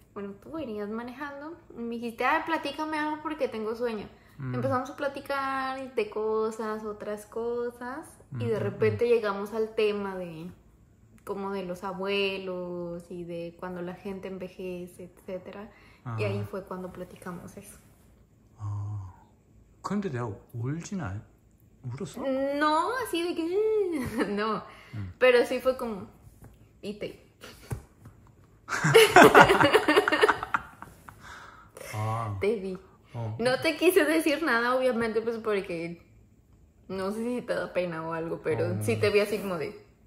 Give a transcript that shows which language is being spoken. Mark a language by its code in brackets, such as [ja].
[es] Bueno, tú venías manejando, me dijiste, ah, platícame algo porque tengo sueño. Empezamos a platicar de cosas, otras cosas, y de repente llegamos al tema de, como de los abuelos, y de cuando la gente envejece, etc. Y ahí fue cuando platicamos eso. [ko] Ah, 근데 내가 울진 않, 울었어? [es] No, así de que, no, pero sí fue como, viste. [ko] 아. [es] Te vi. No te quise decir nada obviamente pues porque no sé si te da pena o algo, pero sí te vi así como de.